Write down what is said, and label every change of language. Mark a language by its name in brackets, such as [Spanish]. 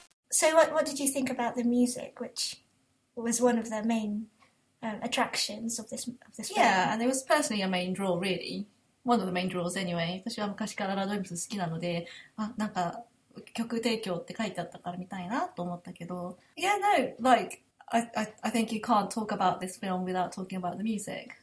[English] So what did you think about the music, which was one of the main attractions of this film? Yeah, and it was personally a main draw, really. One of the main draws, anyway. [Japanese] 私は昔からラドウィムス好きなので、あ、なんか、曲提供って書いてあったから見たいなと思ったけど。 [English] Yeah, no, like, I think you can't talk about this film without talking about the music.